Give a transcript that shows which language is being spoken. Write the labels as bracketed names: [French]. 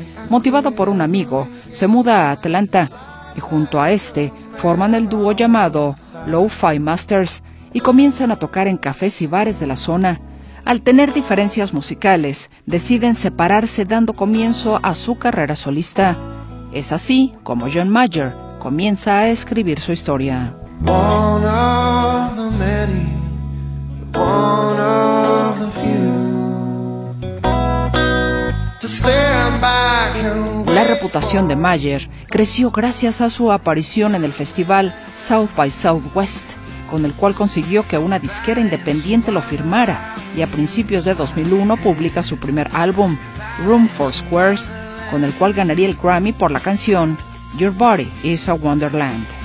[Spanish] Motivado por un amigo, se muda a Atlanta y junto a este forman el dúo llamado Lo-Fi Masters y comienzan a tocar en cafés y bares de la zona. Al tener diferencias musicales, deciden separarse dando comienzo a su carrera solista. Es así como John Mayer comienza a escribir su historia. [English] One of the many, one of the few. To stand back and wait. [Spanish] La reputación de Mayer creció gracias a su aparición en el festival South by Southwest, con el cual consiguió que una disquera independiente lo firmara, y a principios de 2001 publica su primer álbum, Room for Squares, con el cual ganaría el Grammy por la canción Your Body is a Wonderland.